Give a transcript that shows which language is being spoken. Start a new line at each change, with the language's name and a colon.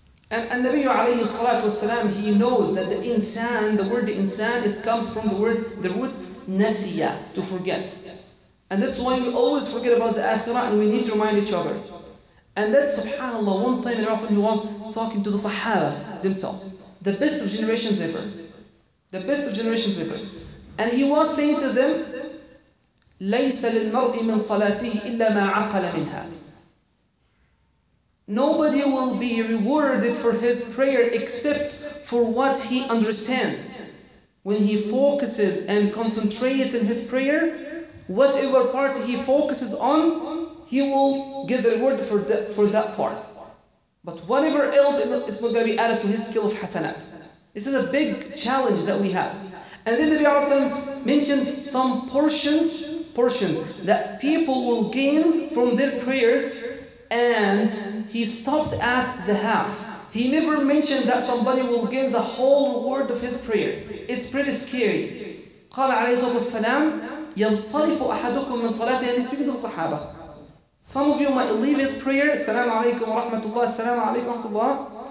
English: And Nabi alayhi salatu wasalam, he knows that the insan, the word insan, it comes from the word, the root nasiya, to forget. And that's why we always forget about the akhirah and we need to remind each other. And that's subhanAllah, one time in Rasul, he was talking to the Sahaba themselves, the best of generations ever. The best of generations ever. And he was saying to them,
Arabic: لَيْسَ لِلْمَرْءِ مِنْ صَلَاتِهِ إِلَّا مَا عَقَلَ مِنْهَا.
English: Nobody will be rewarded for his prayer except for what he understands. When he focuses and concentrates in his prayer, whatever part he focuses on, he will get the reward for that part. But whatever else is not going to be added to his skill of hasanat. This is a big challenge that we have. And then Nabi mentioned some portions that people will gain from their prayers. And he stopped at the half. He never mentioned that somebody will gain the whole reward of his prayer. It's pretty scary.
Arabic: قال عليه الصلاة والسلام ينصرف أحدكم من صلاته.
English: And he's speaking to the Sahaba. Some of you might leave his prayer.
Arabic: السلام عليكم ورحمة الله. السلام عليكم ورحمة الله.